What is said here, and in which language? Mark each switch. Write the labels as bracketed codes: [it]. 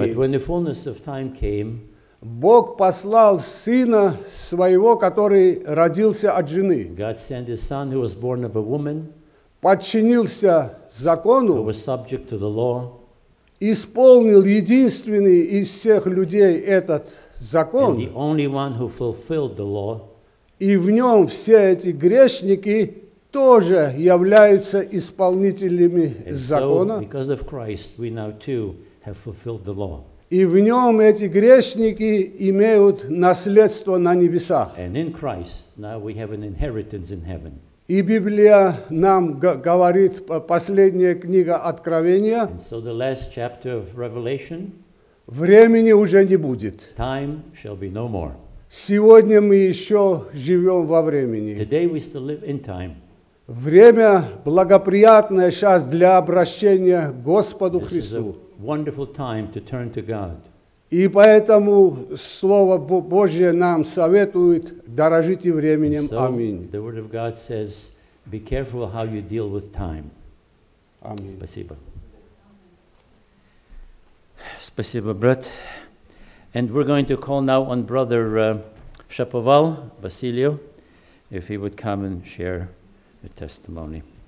[en] but when the fullness of time came, [ru] Бог послал сына своего, который родился от жены. [en] God sent his son who was born of a woman. [ru] Подчинился закону. [en] Who was subject to the law. [ru] Исполнил единственный из всех людей этот закон. [en] And the only one who fulfilled the law. [ru] И в нем все эти грешники тоже являются исполнителями закона. [en] So, because of Christ, we now too have fulfilled the law. [ru] И в нем эти грешники имеют наследство на небесах. [en] And in Christ, now we have an inheritance in heaven. [ru] И Библия нам говорит, последняя книга Откровения, [en] and so the last chapter of Revelation, [ru] времени уже не будет. [en] Time shall be no more. [ru] Сегодня мы еще живем во времени. [en] Today we still live in time. [ru] Время благоприятное сейчас для обращения к Господу Христу. [en] Wonderful time to turn to God. [ru] И поэтому Слово Божье нам советует дорожите временем. Аминь. [en] The word of God says, be careful how you deal with time. [ru] Аминь. Спасибо. Спасибо, брат. [en] And we're going to call now on brother Шаповал Василию, if he would come and share a testimony.